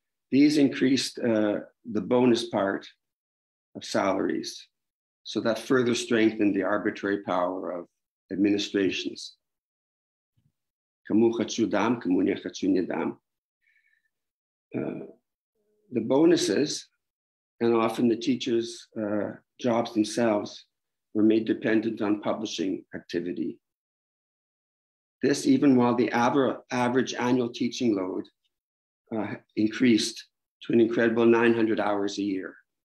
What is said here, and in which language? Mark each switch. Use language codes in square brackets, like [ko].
[en] These increased the bonus part of salaries, so that further strengthened the arbitrary power of administrations. [ru] Кому хочу дам, кому не хочу не дам. [en] The bonuses, and often the teachers' jobs themselves, were made dependent on publishing activity. This even while the average annual teaching load increased to an incredible 900 hours a year.